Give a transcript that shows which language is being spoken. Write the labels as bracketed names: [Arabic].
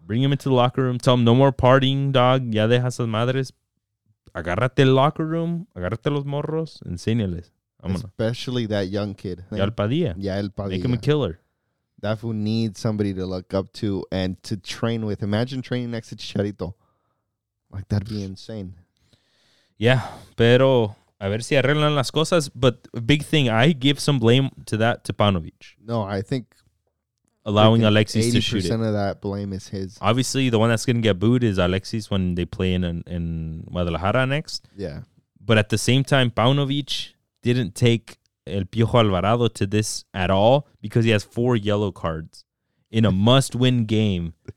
[English] Bring him into the locker room. Tell him no more partying, dog. Ya dejas las madres. [Spanish] Agárrate el locker room. Agárrate los morros. Enséñales. [English] Especially that young kid. Yael Padilla. Yael Padilla. Make him a killer. That fool needs somebody to look up to and to train with. Imagine training next to Chicharito. Like, that'd be insane. [Spanish] Yeah, pero a ver si arreglan las cosas. [English] But big thing, I give some blame to that to Panovic. No, I think allowing Alexis to shoot it. 80% of that blame is his. Obviously, the one that's going to get booed is Alexis when they play in Guadalajara next. Yeah. But at the same time, Panovic didn't take El Piojo Alvarado to this at all because he has 4 yellow cards in a must-win game.